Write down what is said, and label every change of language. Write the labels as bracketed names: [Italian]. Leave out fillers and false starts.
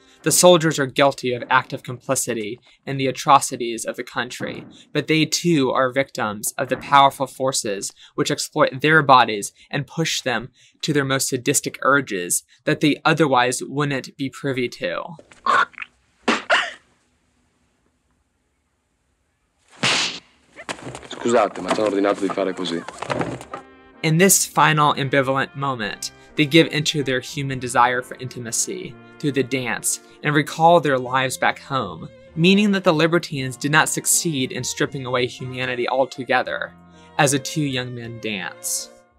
[English] The soldiers are guilty of active complicity in the atrocities of the country, but they too are victims of the powerful forces which exploit their bodies and push them to their most sadistic urges that they otherwise wouldn't be privy to. [Italian] Scusate, ma ti ho ordinato di fare così. [English] In this final ambivalent moment, they give into their human desire for intimacy through the dance and recall their lives back home, meaning that the libertines did not succeed in stripping away humanity altogether as the two young men dance.